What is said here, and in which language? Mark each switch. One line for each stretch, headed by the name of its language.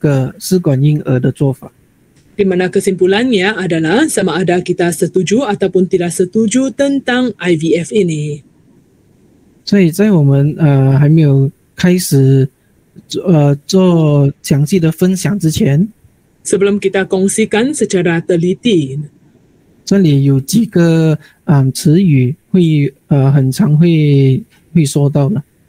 Chinese: 所以结论就是说我们同意还是不同意这个试管婴儿的做法。
Malay: Di mana kesimpulannya adalah sama ada kita setuju ataupun tidak setuju tentang IVF ini.
Chinese: 所以在我们还没有开始做详细的分享之前。
Malay: Sebelum kita kongsikan secara teliti.
Chinese: 这里有几个词语会很常会说到的。